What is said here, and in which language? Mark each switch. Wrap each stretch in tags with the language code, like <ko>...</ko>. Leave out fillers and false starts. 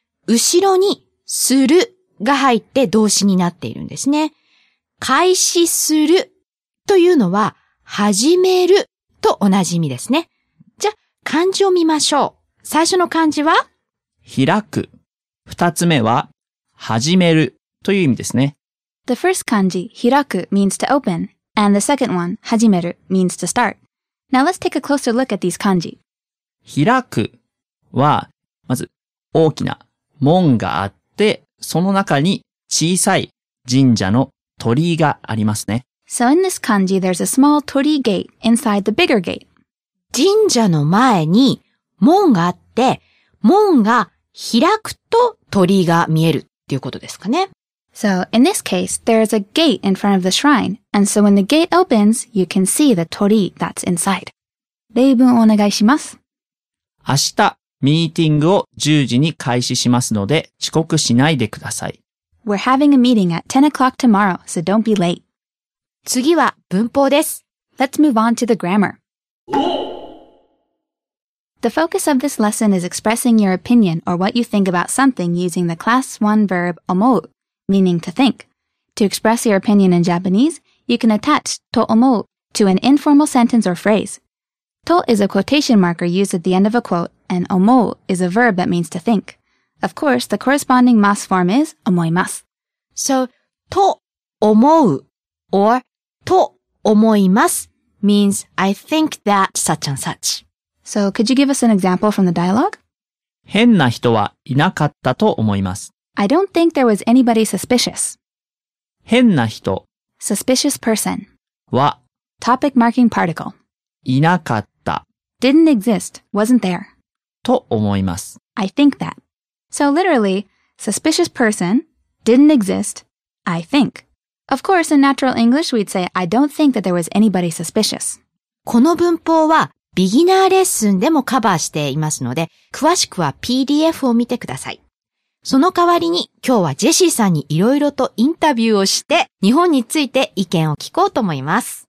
<ja>後ろにするが入って動詞になっているんですね。開始するというのは始めると同じ意味ですね。じゃあ漢字を見ましょう。最初の漢字は開く。二つ目は始めるという意味ですね。</ja> <en>The first 漢字開く means to open, and the second one 始める means to start. Now let's take a closer look at these 漢字。</en> <ja>開くはまず大きな門があって、その中に小さい神社の鳥居がありますね。</ja> <en>So in this 漢字 there's a small 鳥居 gate inside the bigger gate.</en> <ja>神社の前に門があって、門が開くと鳥居が見えるっていうことですかね。</ja> <en>So, in this case, there is a gate in front of the shrine. And so when the gate opens, you can see the 鳥 that's inside.</en> <ja>例文をお願いします。明日、ミーティングを10時に開始しますので、遅刻しないでください。</ja> <en>We're having a meeting at 10 o'clock tomorrow, so don't be late.</en> <ja>次は文法です。</ja> <en>Let's move on to the grammar. The focus of this lesson is expressing your opinion or what you think about something using the class 1 verb 思う. Meaning to think. To express your opinion in Japanese, you can attach to 思う to an informal sentence or phrase. To is a quotation marker used at the end of a quote, and 思う is a verb that means to think. Of course, the corresponding mas form is 思います. So, to 思う or to 思います means I think that such and such. So, could you give us an example from the dialogue?</en> <ja>変な人はいなかったと思います。</ja> <en>I don't think there was anybody suspicious.</en> <ja>変な人</ja> <en>suspicious person</en> <ja>は</ja> <en>topic marking particle</en> <ja>いなかった</ja> <en>didn't exist, wasn't there</en> <ja>と思います。</ja> <en>I think that. So literally, suspicious person didn't exist, I think. Of course, in natural English, we'd say, I don't think that there was anybody suspicious.</en> <ja>この文法はビギナーレッスンでもカバーしていますので、詳しくは PDF を見てください。その代わりに今日はジェシーさんにいろいろとインタビューをして日本について意見を聞こうと思います。</ja>